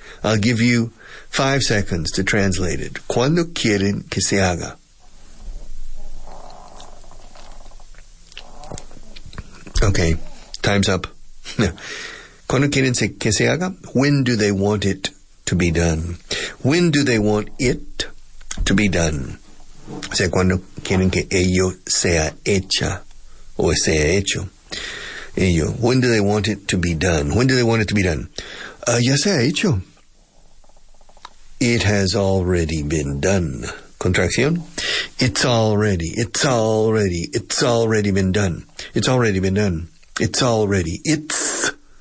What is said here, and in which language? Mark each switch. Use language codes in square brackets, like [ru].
[en] I'll give you 5 seconds to translate it. [es] Cuando quieren que se haga? [en] Okay, time's up. [es] Cuando quieren que se haga? [en] When do they want it to be done? When do they want it to be done? [es] O sea, cuando quieren que ello sea hecha o sea hecho. Ello. [en] When do they want it to be done? When do they want it to be done? [es] Ya se ha hecho. [en] It has already been done. [es] Contracción. [en] It's already. It's already. It's already been done. It's already been done. It's already. It's.